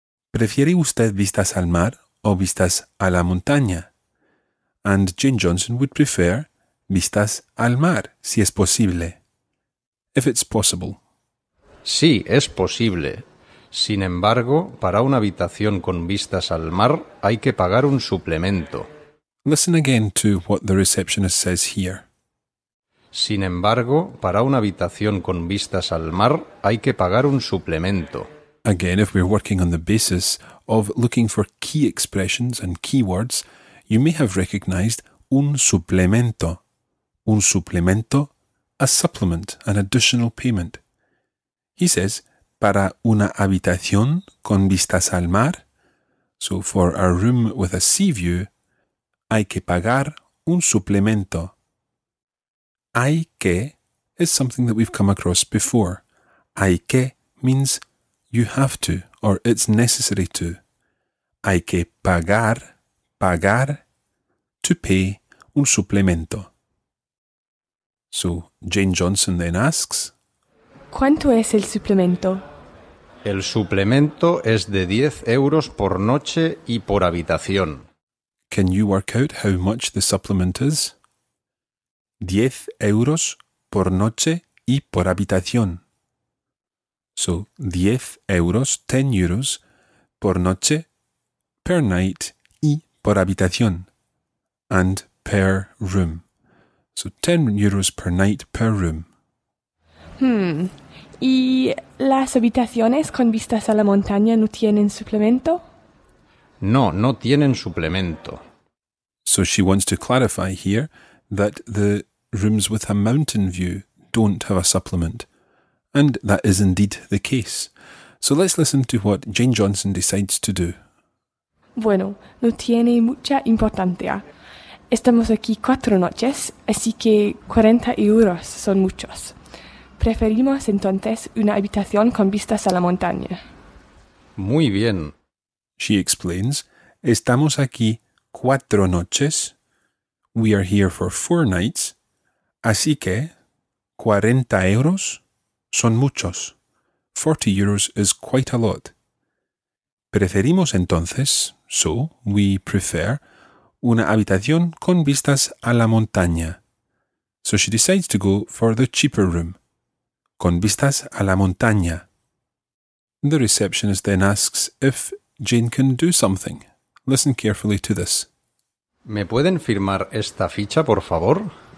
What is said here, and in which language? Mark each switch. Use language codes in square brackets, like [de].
[es] ¿Prefiere usted vistas al mar o vistas a la montaña? [en] And Jane Johnson would prefer [es] vistas al mar, si es posible. [en] If it's possible. [es] Sí, es posible. Sin embargo, para una habitación con vistas al mar hay que pagar un suplemento. [en] Listen again to what the receptionist says here. [es] Sin embargo, para una habitación con vistas al mar hay que pagar un suplemento. [en] Again, if we're working on the basis of looking for key expressions and keywords, you may have recognized un suplemento. Un suplemento, a supplement, an additional payment. He says, [es] para una habitación con vistas al mar, [en] so for a room with a sea view, [es] hay que pagar un suplemento. [en] Hay que is something that we've come across before. Hay que means you have to or it's necessary to. [es] Hay que pagar, pagar, [en] to pay [es] un suplemento. [en] So Jane Johnson then asks, [es] ¿Cuánto es el suplemento? El suplemento es de 10 euros por noche y por habitación. [en] Can you work out how much the supplement is? [es] 10 euros por noche y por habitación. [en] So, 10 euros, 10 euros, [es] por noche, [en] per night, [es] y por habitación, [en] and per room. So, 10 euros per night, per room. [es] ¿Y las habitaciones con vistas a la montaña no tienen suplemento? No, no tienen suplemento. [en] So she wants to clarify here that the rooms with a mountain view don't have a supplement. And that is indeed the case. So let's listen to what Jane Johnson decides to do. [es] Bueno, no tiene mucha importancia. Estamos aquí 4 noches, así que 40 euros son muchos. Preferimos entonces una habitación con vistas a la montaña. Muy bien. [en] She explains, [es] estamos aquí 4 noches. [en] We are here for 4 nights. [es] Así que 40 euros son muchos. [en] 40 euros is quite a lot. [es] Preferimos entonces, [en] so we prefer, [es] una habitación con vistas a la montaña. [en] So she decides to go for the cheaper room. [es] Con vistas a la montaña. [en] The receptionist then asks if Jane can do something. Listen carefully to this. [es] ¿Me pueden firmar esta ficha, por favor?